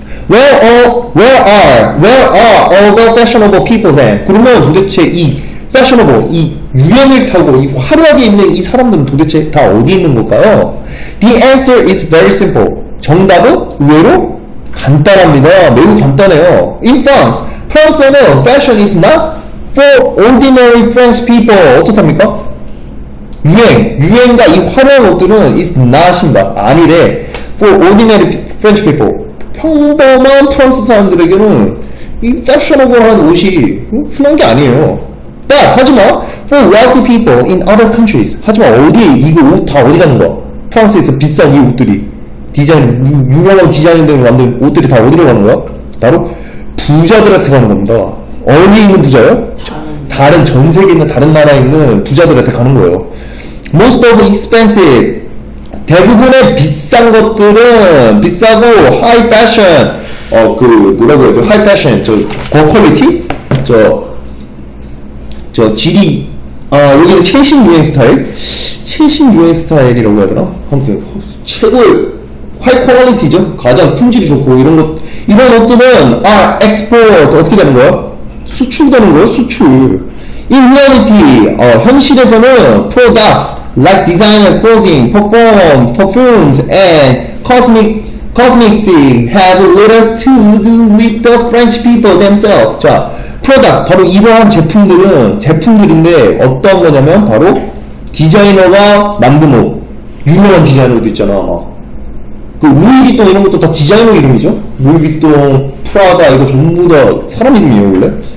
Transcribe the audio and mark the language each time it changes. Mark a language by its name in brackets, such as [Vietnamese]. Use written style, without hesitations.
[English] Where are all the fashionable people then? [Korean] 그러면 도대체 이 fashionable, 이 유행을 타고 이 화려하게 입는 이 사람들은 도대체 다 어디 있는 걸까요? [English] The answer is very simple. [Korean] 정답은 의외로 간단합니다. 매우 간단해요. [English] In France, [Korean] 프랑스에는 [English] fashion is not for ordinary French people. [Korean] 어떻합니까? 유행과 이 화려한 옷들은 [English] is not [Korean] 입니다. 아니래. [English] For ordinary French people. [Korean] 평범한 프랑스 사람들에게는 이 패셔너블한 옷이 흔한 게 아니에요. [English] But, [Korean] 하지만 [English] for wealthy people in other countries. [Korean] 하지만 어디에 이거 옷 다 어디 가는 거? 프랑스에서 비싼 이 옷들이 디자인 유명한 디자인들이 만든 옷들이 다 어디로 가는 거야? 바로 부자들한테 가는 겁니다. 어디에 있는 부자요? 다른 전 세계에 있는 다른 나라에 있는 부자들한테 가는 거예요. [English] Most of expensive. [Korean] 대부분의 비싼 것들은 비싸고 하이 패션 뭐라고 해야 돼? 하이 패션 저 고퀄리티? 저 질이 여기는 최신 유행 스타일? 최신 유행 스타일이라고 해야 되나? 아무튼 최고의 하이 퀄리티죠? 가장 품질이 좋고 이런 옷들은 엑스포트 어떻게 되는 거야? 수출되는 거야? 수출 [English] In reality, [Korean] 현실에서는 [English] products like designer clothing, perfumes, and cosmetics have little to do with the French people themselves. [Korean] 자, product, 바로 이러한 제품들은 제품들인데 어떤 거냐면 바로 디자이너가 만든 옷. 유명한 디자이너도 있잖아. 그 루이비통 이런 것도 다 디자이너 이름이죠? 루이비통, 프라다 이거 전부 다 사람 이름이에요, 원래?